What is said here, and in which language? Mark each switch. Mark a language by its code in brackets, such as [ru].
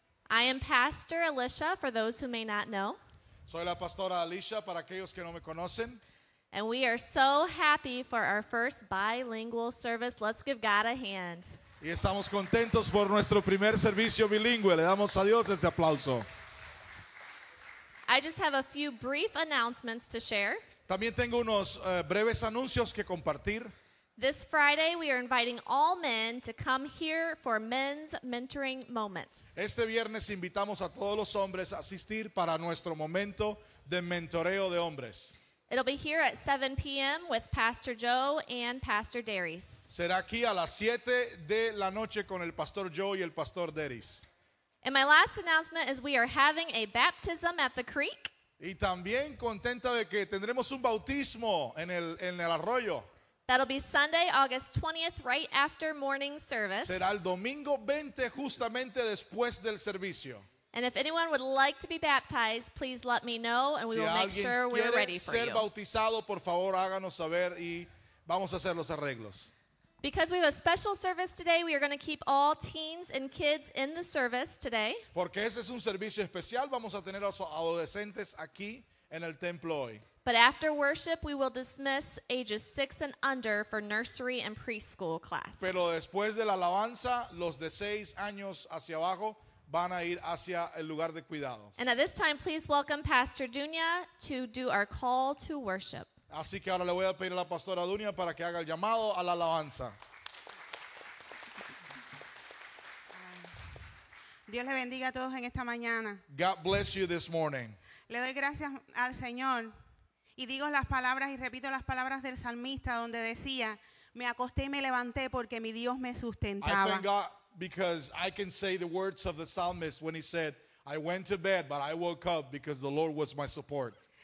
[en] I am Pastor Alicia, for those who may not know. [es] Soy la pastora Alicia, para aquellos que no me conocen. [en] And we are so happy for our first bilingual service. Let's give God a hand. [es] Y estamos contentos por nuestro primer servicio bilingüe. Le damos a Dios ese aplauso. [en] I just have a few brief announcements to share. [es] También tengo unos breves anuncios que compartir. [en] This Friday we are inviting all men to come here for men's mentoring moments. [es] Este viernes invitamos a todos los hombres a asistir para nuestro momento de mentoreo de hombres. [en] It'll be here at 7 p.m. with Pastor Joe and Pastor Darius. [es] Será aquí a las 7 de la noche con el Pastor Joe y el Pastor Darius. [en] And my last announcement is we are having a baptism at the creek. [es] Y también contenta de que tendremos un bautismo en el arroyo. [en] That'll be Sunday, August 20th, right after morning service. [es] Será el domingo 20 justamente después del servicio. [en] And if anyone would like to be baptized, please let me know and we will make sure we're ready for you. [es] Si alguien quiere ser bautizado, por favor, háganos saber y vamos a hacer los arreglos. [en] Because we have a special service today, we are going to keep all teens and kids in the service today. [es] Porque ese es un servicio especial, vamos a tener a los adolescentes aquí en el templo hoy. [en] But after worship, we will dismiss ages 6 and under for nursery and preschool class. [es] Pero después de la alabanza, los de 6 años hacia abajo van a ir hacia el lugar de cuidados. [en] And at this time, please welcome Pastor Dunia to do our call to worship. [es] Así que ahora le voy a pedir a la pastora Dunia para que haga el llamado a la alabanza. Dios le bendiga a todos en esta mañana. [en] God bless you this morning. [es] Le doy gracias al Señor y digo las palabras y repito las palabras del salmista donde decía, me acosté y me levanté porque mi Dios me sustentaba. [en] I thank God because I can say the words of the psalmist when he said, I went to bed but I woke up because the Lord was my support.